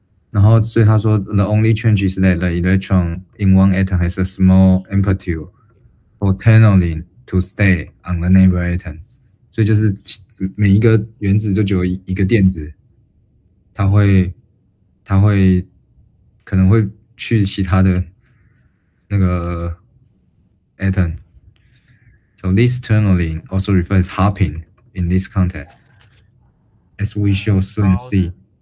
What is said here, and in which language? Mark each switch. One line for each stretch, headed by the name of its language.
Chinese: 然后，所以他说，
English: the only change is that the electron in one atom has a small amplitude for tunneling to stay on the neighbor atom。
Chinese: 所以就是每一个原子就只有一个电子，它会可能会去其他的那个 atom。
English: So this tunneling also refers hopping in this context, as we shall soon see.